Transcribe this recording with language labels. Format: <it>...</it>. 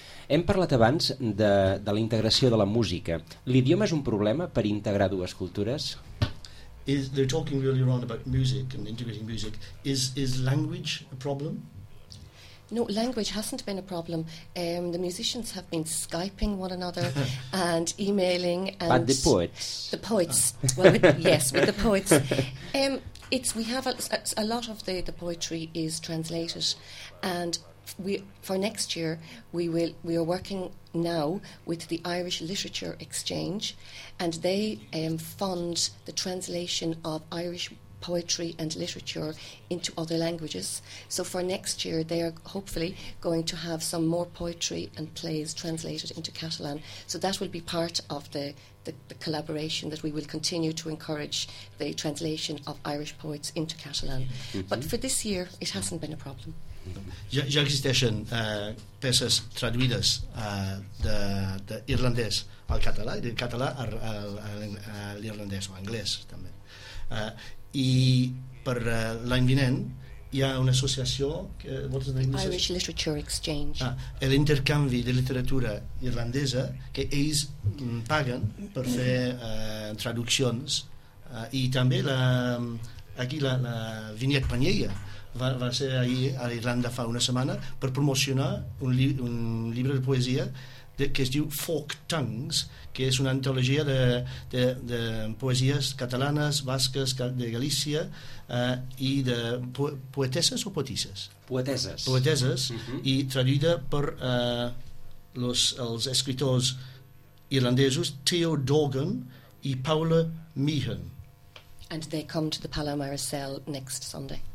<ca>Hem parlat abans de la integració de la música. L'idioma és un problema per integrar dues cultures?</ca> <en>They're talking really around about music and integrating music. Is language a problem? No, language hasn't been a problem. The musicians have been Skyping one another and emailing. And but the poets? The poets. Well, with the poets. We have a lot of the poetry is translated, and for next year we are working now with the Irish Literature Exchange, and they fund the translation of Irish poetry and literature into other languages. So for next year they are hopefully going to have some more poetry and plays translated into Catalan. So that will be part of the collaboration, that we will continue to encourage the translation of Irish poets into Catalan. Mm-hmm. But for this year it hasn't been a problem.</en> <ca>Ja existeixen peces traduïdes de irlandès al català i del català a l'irlandès o anglès també. I per l'any vinent hi ha una associació que</ca> <en>Irish Literature Exchange.</en> <ca>L'intercanvi de literatura irlandesa, que ells paguen per fer traduccions, i també la Vignette Panyella va ser ahir a Irlanda fa una setmana per promocionar un llibre de poesia que es diu Folk Tongues, que és una antologia de poesies catalanes, basques, de Galícia, i de poetesses o poetisses? Poetesses. Poetesses, mm-hmm. i traduïda per els escriptors irlandesos Theo Dorgan i Paula Meehan.</ca> <en>And they come to the Palau Maricel next Sunday.</en>